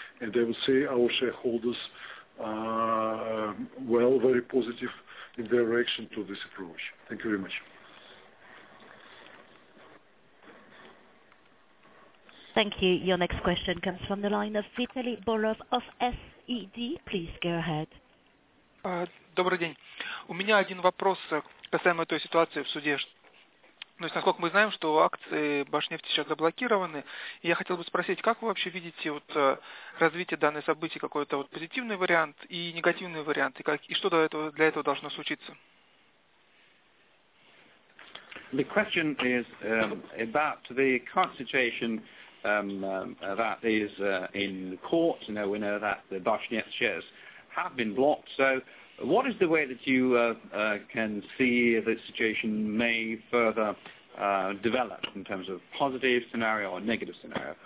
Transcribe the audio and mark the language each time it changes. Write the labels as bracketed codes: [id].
[en] And I would say our shareholders are well, very positive in their reaction to this approach. Thank you very much. Thank you. Your next question comes from the line of Vitaly Borov of SED. Please go ahead. [ru] Добрый день. У меня один вопрос касаемо той ситуации в суде. То есть, насколько мы знаем, что акции Башнефти сейчас заблокированы. И я хотел бы спросить, как вы вообще видите вот, развитие данных событий, какой-то вот позитивный вариант и негативный вариант, и, как, и что для этого должно случиться? [en] The question is about the current situation that is in court. You know, we know that the Башнефть shares have been blocked. So what is the way that you can see the situation may further develop in terms of positive scenario or negative scenario?